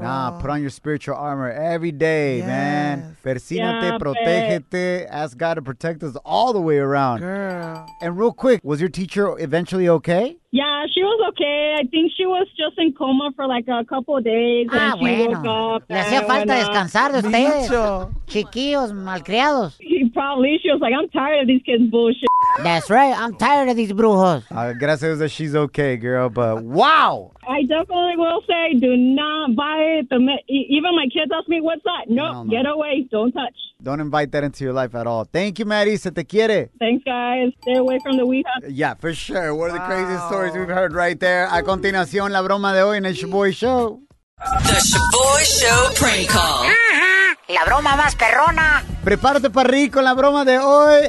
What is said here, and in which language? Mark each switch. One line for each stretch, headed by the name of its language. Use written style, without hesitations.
English: Nah, put on your spiritual armor every day, man.
Spanish: Persínate, protégete,
English: ask God to protect us all the way around. Girl. And real quick, was your teacher eventually okay? Yeah, she was okay. I think she was just in coma for like a couple of days, and she woke up.
Spanish: Le hacía falta descansar de ustedes, chiquillos malcriados.
English: Probably she was like, I'm tired of these kids' bullshit. That's right. I'm tired of these brujos. Gracias that she's okay, girl, but wow. I definitely will say, do not buy it. Even my kids ask me, what's that? No, nope, get away. Don't touch. Don't invite that into your life at all. Thank you, Maddie.
Spanish: Se te quiere.
English: Thanks, guys. Stay away from the Ouija. Yeah, for sure. One of the craziest stories we've heard right there.
Spanish: A continuación, la broma de hoy en el Shaboy Show.
English: The Shaboy Show prank call.
Spanish: La broma más perrona. Prepárate para reír con la broma de hoy.